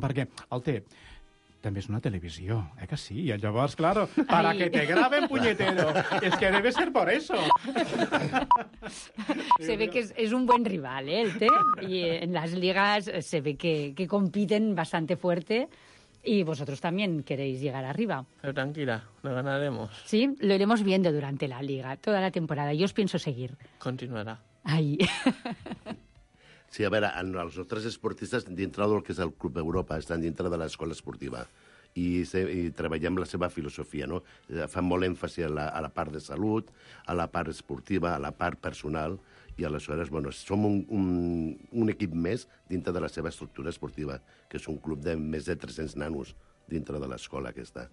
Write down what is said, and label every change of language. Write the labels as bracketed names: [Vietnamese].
[Catalan] Perquè el TEP també és una televisió, eh que sí? I llavors, claro, [Spanish] para que te graben, puñetero. Es que debe ser por eso. Se ve que es un buen rival, ¿eh? El TEP. Y en las ligas se ve que compiten bastante fuerte. Y vosotros también queréis llegar arriba. Pero tranquila, lo ganaremos. Sí, lo iremos viendo durante la liga, toda la temporada. Yo os pienso seguir. Continuará. Ahí. [Catalan] Sí, a veure, els nostres esportistes, dintre del que és el Club Europa, estan dintre de l'escola esportiva i treballem la seva filosofia, no? Fan molt èmfasi a la part de salut, a la part esportiva, a la part personal, i aleshores, bueno, som un equip més dintre de la seva estructura esportiva, que és un club de més de 300 nanos dintre de l'escola aquesta.